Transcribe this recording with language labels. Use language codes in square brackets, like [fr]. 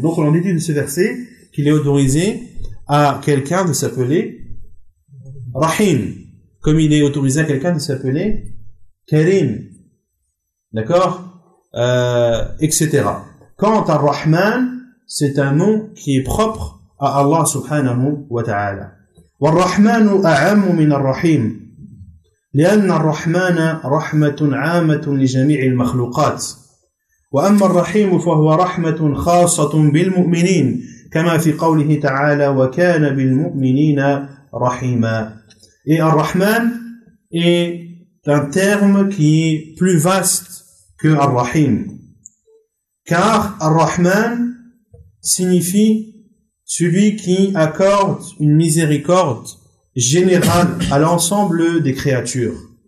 [fr] Donc on dit de ce verset qu'il est autorisé à quelqu'un de s'appeler rahim, comme il est autorisé à quelqu'un de s'appeler karim, d'accord, etc. Quant à Rahman, c'est un nom qui est propre à Allah subhanahu wa ta'ala. [ar] والرحمن أعم من الرحيم لأن الرحمن رحمة عامة لجميع المخلوقات وأما الرحيم فهو رحمة خاصة بالمؤمنين كما في قوله تعالى وكان بالمؤمنين رحيما. [fr] Et Ar-Rahman est un terme qui est plus vaste que Ar-Rahim, car Ar-Rahman signifie celui qui accorde une miséricorde générale à l'ensemble des créatures.